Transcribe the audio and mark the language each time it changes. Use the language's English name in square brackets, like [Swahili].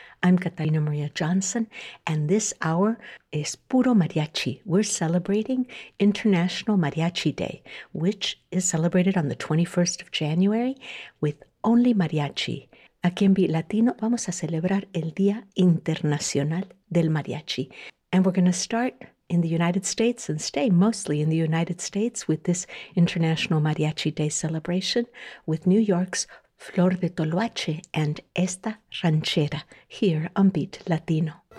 [English] I'm Catalina Maria Johnson, and this hour is puro mariachi. We're celebrating International Mariachi Day, which is celebrated on the 21st of January with only mariachi. [Spanish] Aquí en Beat Latino vamos a celebrar el Día Internacional del Mariachi. [English] And we're going to start in the United States and stay mostly in the United States with this International Mariachi Day celebration with New York's Flor de Toloache and Esta Ranchera here on Beat Latino.